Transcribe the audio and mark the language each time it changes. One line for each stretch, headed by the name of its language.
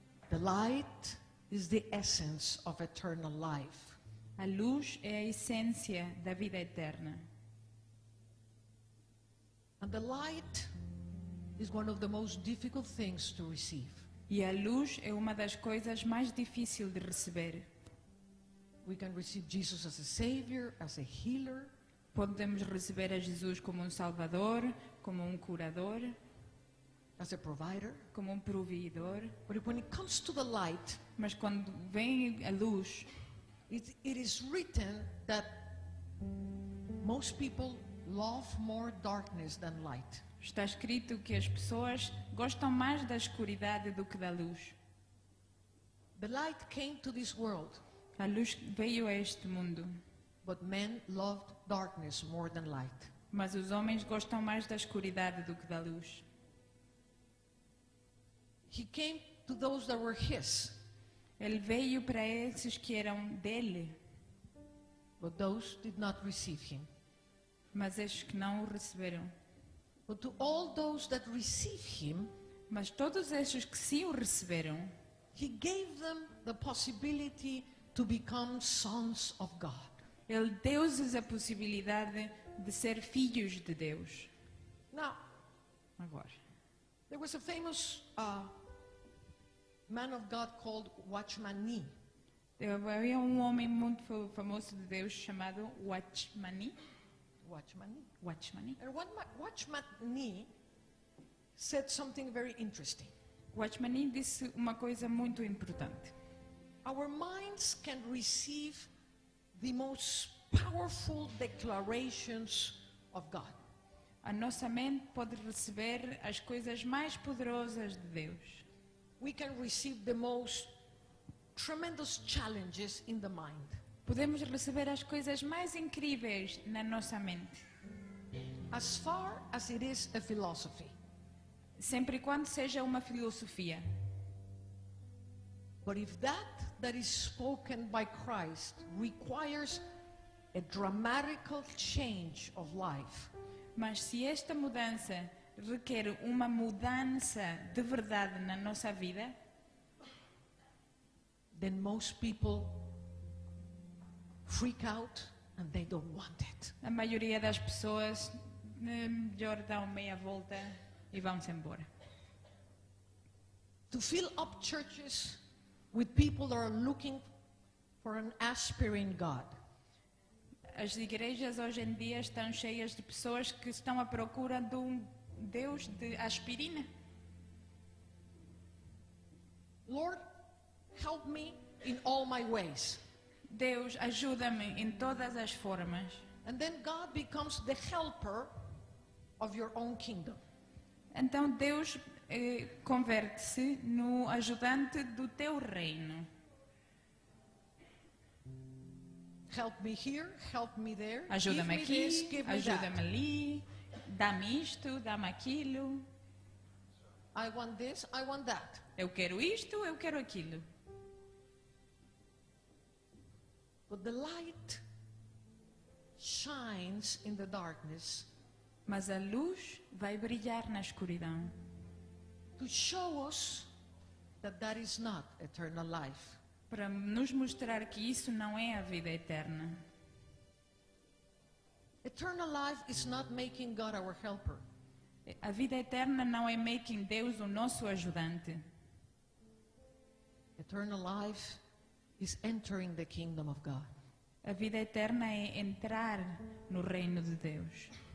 English: The light is the essence of eternal life.
Portuguese: A luz é a essência da vida eterna.
English: And the light is one of the most difficult things to receive.
Portuguese: E a luz é uma das coisas mais difíceis de receber.
English: We can receive Jesus as a savior, as a healer.
Portuguese: Podemos receber a Jesus como salvador, como curador,
English: as a provider,
Portuguese: como provedor.
English: But when it comes to the light,
Portuguese: mas quando vem a luz,
English: it is written that most people love more darkness than light.
Portuguese: Está escrito que as pessoas gostam mais da escuridão do que da luz.
English: The light came to this world.
Portuguese: A luz veio a este mundo.
English: But men loved darkness more than light.
Portuguese: Mas os homens gostam mais da escuridão do que da luz.
English: He came to those that were his.
Portuguese: Ele veio para esses que eram dele.
English: But those did not receive him.
Portuguese: Mas esses que não o receberam.
English: But to all those that receive him,
Portuguese: mas todos esses que sim o receberam,
English: he gave them the possibility to become sons of God.
Portuguese: Ele deu-lhes a possibilidade de ser filhos de Deus.
English: Now,
Portuguese: agora,
English: there was a famous man of God called Watchman Nee.
Portuguese: Havia um homem muito famoso de Deus chamado Watchman Nee.
English: Watchman Nee said something very interesting.
Portuguese: Watchman Nee disse uma coisa muito importante.
English: Our minds can receive the most powerful declarations of God.
Portuguese: A nossa mente pode receber as coisas mais poderosas de Deus.
English: We can receive the most tremendous challenges in the mind.
Portuguese: Podemos receber as coisas mais incríveis na nossa mente.
English: As far as it is a philosophy.
Portuguese: Sempre quando seja uma filosofia.
English: But if that is spoken by Christ requires a dramatical change of life.
Portuguese: Mas se esta mudança requer uma mudança de verdade na nossa vida,
English: then most people freak out and they don't want it.
Portuguese: A maioria das pessoas melhor dá uma meia volta e vão-se embora.
English: To fill up churches with people that are looking for an aspiring God.
Portuguese: As igrejas hoje em dia estão cheias de pessoas que estão à procura de um Deus de aspirina.
English: Lord, help me in all my ways.
Portuguese: Deus, ajuda-me em todas as formas.
English: And then God becomes the helper of your own kingdom.
Portuguese: Então Deus converte-se no ajudante do teu reino.
English: Help me here, help me there.
Portuguese: Ajuda-me
English: give
Portuguese: aqui,
English: me this, give
Portuguese: ajuda-me
English: me that.
Portuguese: Ali. Dá-me isto, dá-me aquilo.
English: I want this, I want that.
Portuguese: Eu quero isto, eu quero aquilo.
English: But the light shines in the darkness.
Portuguese: Mas a luz vai brilhar na escuridão.
English: To show us that is not eternal life.
Portuguese: Para nos mostrar que isso não é a vida eterna.
English: Eternal life is not making God our helper.
Portuguese: A vida eterna não é making Deus o nosso ajudante.
English: Eternal life is entering the kingdom of God.
Portuguese: A vida eterna é entrar no reino de Deus.